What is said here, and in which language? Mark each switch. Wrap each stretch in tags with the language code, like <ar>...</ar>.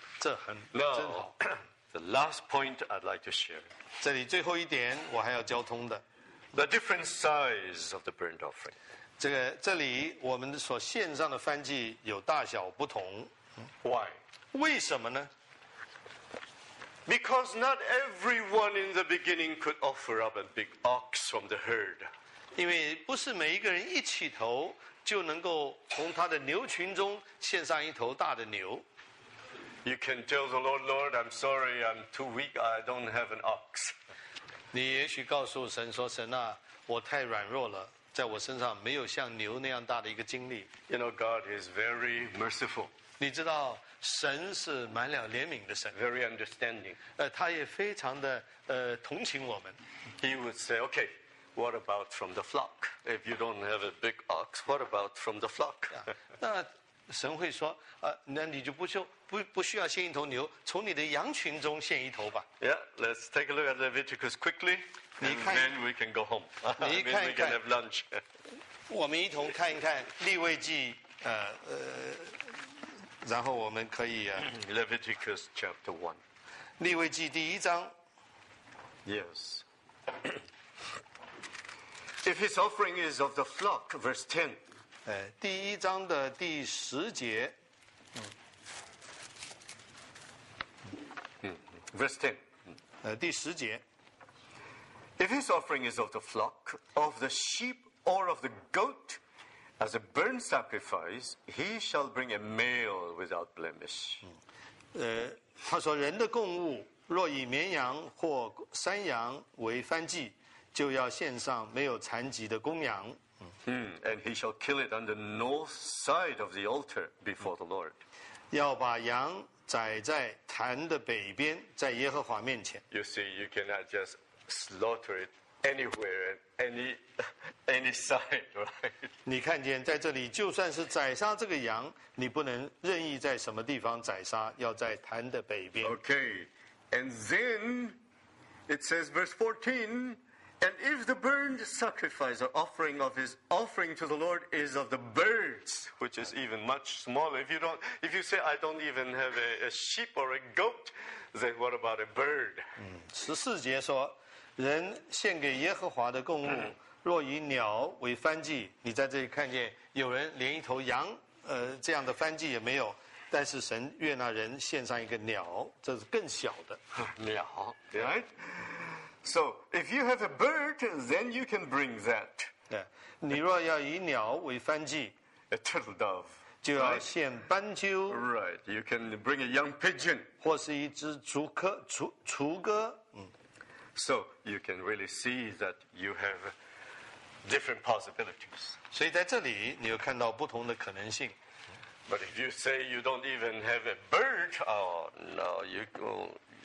<zh>这很</zh> <en>Now,</en> <zh>真好。</zh> <en>The last point I'd like to share.</en> <zh>这里最后一点我还要交通的。</zh> <en>The different size of the burnt offering.</en> <zh>这里我们所献上的燔祭有大小不同。</zh> <en>Why?</en> <zh>为什么呢？</zh> <en>Because not everyone in the beginning could offer up a big ox from the herd.</en> <zh>因为不是每一个人一起头就能够从他的牛群中献上一头大的牛。</zh> <en>You can tell the Lord, Lord, I'm sorry, I'm too weak, I don't have an ox.</en> <zh>你也许告诉神说，神啊，我太软弱了，在我身上没有像牛那样大的一个精力。</zh> <en>You know, God is very merciful.</en> <zh>你知道，神是满了怜悯的神。</zh> <en>Very understanding.</en> <zh>他也非常的同情我们。</zh> <en>He would say, okay, what about from the flock? If you don't have a big ox, what about from the flock?</en> <zh>那神会说，那你就不需要献一头牛，从你的羊群中献一头吧。</zh> <en>Yeah, let's take a look at Leviticus quickly, and then we can go home.</en> <zh>你看一看</zh> <en>we can have lunch.</en> <zh>我们一同看一看利未记，然后我们可以啊。</zh> <en>Leviticus chapter one.</en> <zh>利未记第一章。</zh> <en>Yes. If his offering is of the flock, verse 10.</en> <zh>第一章的第十节。</zh> <en>Verse 10.</en> <zh>第十节。</zh> <en>If his offering is of the flock, of the sheep, or of the goat, as a burnt sacrifice, he shall bring a male without blemish.</en> <zh>他说人的供物若以绵羊或山羊为燔祭，就要献上没有残疾的公羊。</zh> <en>And he shall kill it on the north side of the altar before the Lord.</en> <zh>要把羊宰在坛的北边，在耶和华面前。</zh> <en>You see, you cannot just slaughter it anywhere, any side, right?</en> <zh>你看见在这里，就算是宰杀这个羊，你不能任意在什么地方宰杀，要在坛的北边。</zh> <en>Okay, and then it says verse 14, and if the burnt sacrifice or offering of his offering to the Lord is of the birds, which is even much smaller, if you say, I don't even have a sheep or a goat, then what about a bird?</en> <zh>14节说，人献给耶和华的供物，若以鸟为燔祭，你在这里看见有人连一头羊，这样的燔祭也没有，但是神悦纳人献上一个鸟，这是更小的。鸟， right?</zh> <en>So, if you have a bird, then you can bring that.</en> <zh>你若要以鸟为燔祭，</zh> <en>a turtle dove,</en> <zh>就要献斑鸠。</zh> <en>Right, you can bring a young pigeon.</en> <zh>或是一只雏鸽。</zh> <en>So, you can really see that you have different possibilities.</en> <zh>所以在这里，你有看到不同的可能性。</zh> <en>But if you say you don't even have a bird, oh no, you go...</en>